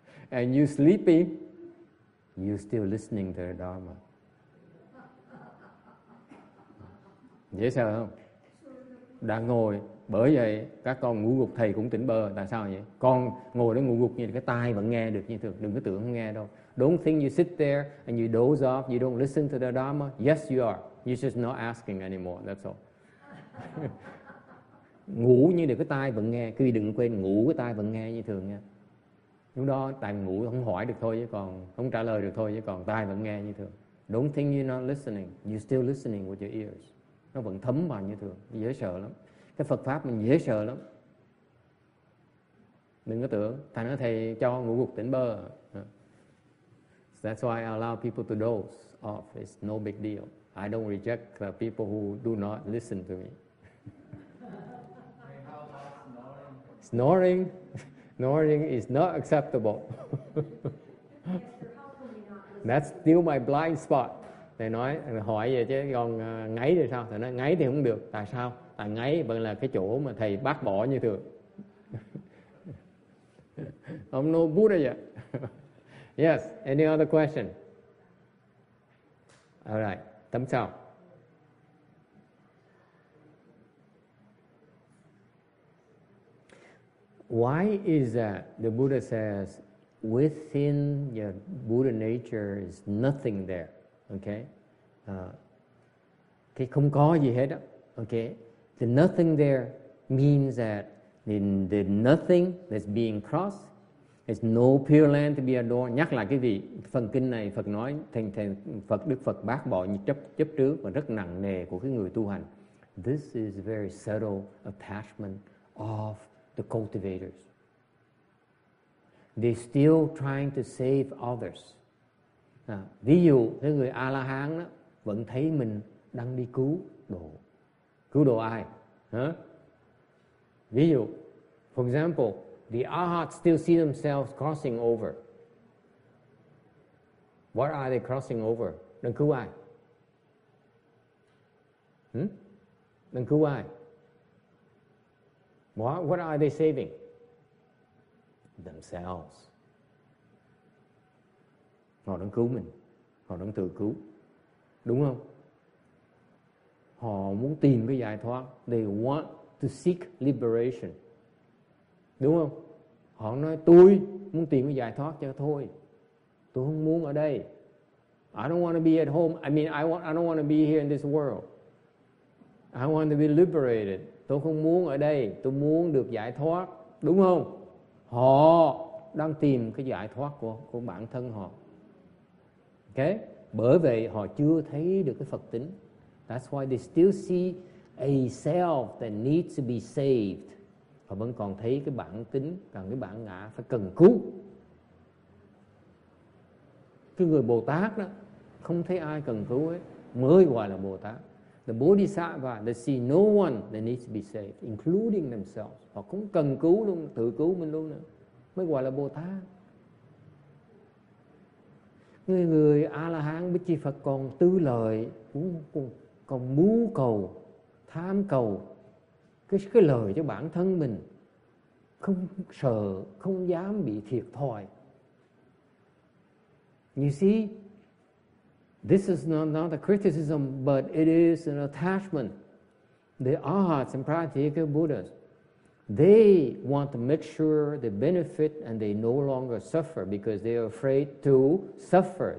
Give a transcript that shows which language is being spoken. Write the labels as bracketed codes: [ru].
[en] And you sleeping, you still listening to the dharma. [vi] Dễ sợ không? Đang ngồi, bởi vậy các con ngủ gục thầy cũng tỉnh bơ. Tại sao vậy? Con ngồi đó ngủ gục như cái tai vẫn nghe được như thường. Đừng có tưởng không nghe đâu. [en] Don't think you sit there and you doze off, you don't listen to the dharma. Yes, you are. You're just not asking anymore. That's all. [vi] Ngủ như được cái tai vẫn nghe. Quý vị đừng quên ngủ cái tai vẫn nghe như thường nha. Lúc đó tai ngủ không hỏi được thôi chứ còn không trả lời được thôi chứ còn tai vẫn nghe như thường. [en] Don't think you're not listening. You're still listening with your ears. [vi] Nó vẫn thấm vào như thường. Dễ sợ lắm. Cái Phật pháp mình dễ sợ lắm. Đừng có tưởng. Thành ra thầy cho ngủ gục tỉnh bơ. [en] So that's why I allow people to doze off. It's no big deal. I don't reject the people who do not listen to me. Snoring? Snoring is not acceptable. That's still my blind spot. [vi] Thầy nói, hỏi vậy chứ còn ngáy thì sao? Thầy nói, ngáy thì không được. Tại sao? Tại ngáy vẫn là cái chỗ mà thầy bác bỏ như thường. [en] I'm no Buddha yet. Yes, any other question? All right, [vi] tấm sau. [en] Why is that the Buddha says within your Buddha nature is nothing there? Okay? [vi] Cái không có gì hết đó. Okay? [en] The nothing there means that in the nothing that's being crossed, there's no pure land to be adored. [vi] Nhắc lại cái vị phần kinh này Phật nói Phật Đức Phật bác bỏ như chấp trước và rất nặng nề của cái người tu hành. [en] This is very subtle attachment of the cultivators. They're still trying to save others. [vi] Ví dụ cái người A La Hán đó vẫn thấy mình đang đi cứu độ. Cứu độ ai? Hả? Ví dụ, [en] for example, the Arhat still see themselves crossing over. What are they crossing over? [vi] Đang cứu ai? Hmm? Đang cứu ai? [en] What are they saving? Themselves. [vi] Họ đang cứu mình. Họ đang tự cứu. Đúng không? Họ muốn tìm cái giải thoát. [en] They want to seek liberation. [vi] Đúng không? Họ nói tôi muốn tìm cái giải thoát cho thôi. Tôi không muốn ở đây. [en] I don't want to be at home. I don't want to be here in this world. I want to be liberated. [vi] Tôi không muốn ở đây. Tôi muốn được giải thoát. Đúng không? Họ đang tìm cái giải thoát của bản thân họ. [en] Okay? [vi] Bởi vậy họ chưa thấy được cái Phật tính. [en] That's why they still see a self that needs to be saved. [vi] Họ vẫn còn thấy cái bản tính, cần cái bản ngã phải cần cứu. Cái người Bồ Tát đó không thấy ai cần cứu ấy, mới gọi là Bồ Tát. [en] The Bodhisattva, they see no one that needs to be saved, including themselves. [vi] Họ cũng cần cứu luôn, tự cứu mình luôn nữa, mới gọi là Bồ Tát. Người A-la-hán với chi Phật còn tư lợi, còn mưu cầu, tham cầu cái lời cho bản thân mình, không sợ, không dám bị thiệt thòi. [en] You see, this is not a criticism, but it is an attachment. The Arhats and Pratyeka Buddhas, they want to make sure they benefit and they no longer suffer because they are afraid to suffer.